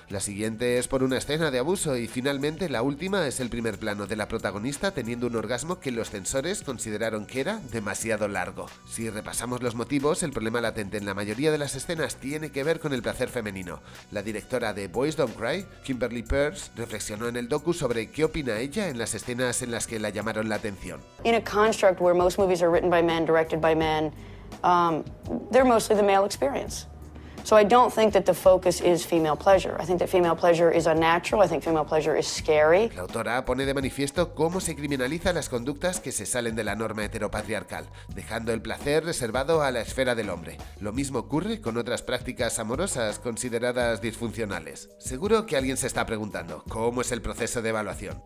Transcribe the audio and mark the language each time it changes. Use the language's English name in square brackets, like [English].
[Spanish] La siguiente es por una escena de abuso y finalmente la última es el primer plano de la protagonista teniendo un orgasmo que los censores consideraron que era demasiado largo. Si repasamos los motivos, el problema latente en la mayoría de las escenas tiene que ver con el placer femenino. La directora de Boys Don't Cry, Kimberly Pearce, reflexionó en el docu sobre qué opina ella en las escenas en las que la llamaron la atención. [English] In a construct where most movies are written by men, directed by men, they're mostly the male experience. So I don't think that the focus is female pleasure. I think that female pleasure is unnatural. I think female pleasure is scary. [Spanish] La autora pone de manifiesto cómo se criminaliza las conductas que se salen de la norma heteropatriarcal, dejando el placer reservado a la esfera del hombre. Lo mismo ocurre con otras prácticas amorosas consideradas disfuncionales. Seguro que alguien se está preguntando, ¿cómo es el proceso de evaluación?